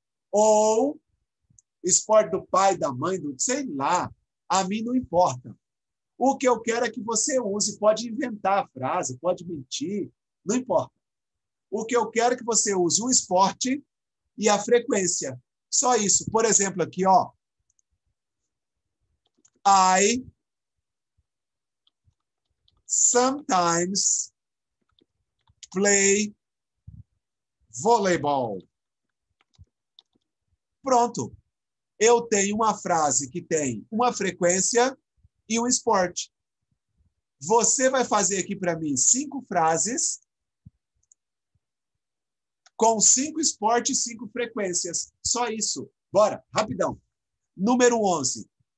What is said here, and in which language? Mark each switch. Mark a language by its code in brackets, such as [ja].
[pt] Ou esporte do pai, da mãe, do sei lá. A mim não importa. O que eu quero é que você use. Pode inventar a frase, pode mentir. Não importa. O que eu quero é que você use o esporte e a frequência. Só isso. Por exemplo, aqui, ó. [en] I sometimes play volleyball. [pt] Pronto. Eu tenho uma frase que tem uma frequência e um esporte. Você vai fazer aqui para mim cinco frases. Com cinco esportes, cinco frequências. Só isso. Bora, rapidão. Número 11.